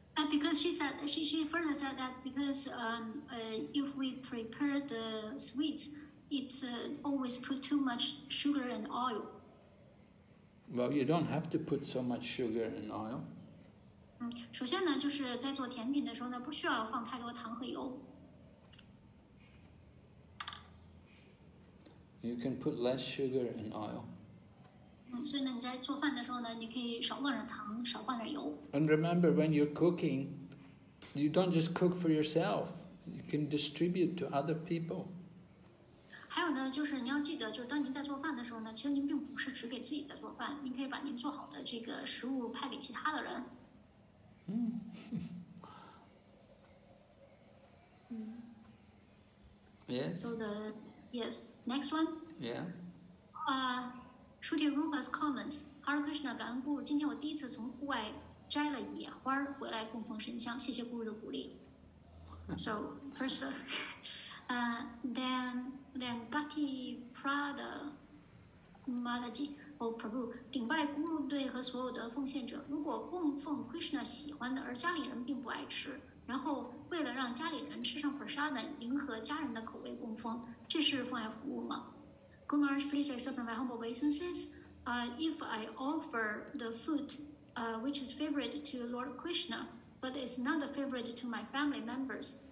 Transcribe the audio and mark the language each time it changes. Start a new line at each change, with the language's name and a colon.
English: Because she said, she further said that because if we prepare the sweets, it's always put too much sugar and oil. Well, you don't have to put so much sugar and oil.
Chinese: 首先呢，就是在做甜品的时候呢，不需要放太多糖和油。
English: You can put less sugar and oil.
Chinese: 所以呢，你在做饭的时候呢，你可以少放点糖，少放点油。
English: And remember, when you're cooking, you don't just cook for yourself. You can distribute to other people.
Chinese: 还有呢，就是你要记得，就是当您在做饭的时候呢，其实您并不是只给自己在做饭，您可以把您做好的这个食物派给其他的人。
English: Yes. Next one. Yeah. Shruti Rupa's comments. Hare Krishna,
Chinese: 感恩
English: Guru.
Chinese: 今天我第一次从户外摘了野花回来供奉神像，谢谢 Guru 的鼓励。
English: So, first, then Gati Prada Mataji.
Chinese: 哦，普布，顶拜咕噜队和所有的奉献者，如果供奉 Krishna 喜欢的，而家里人并不爱吃，然后为了让家里人吃上 prasada 迎合家人的口味供奉，这是妨碍服务吗？
English: Guru Maharaj, please accept my humble obeisances. If I offer the food, which is favorite to Lord Krishna, but it's not a favorite to my family members.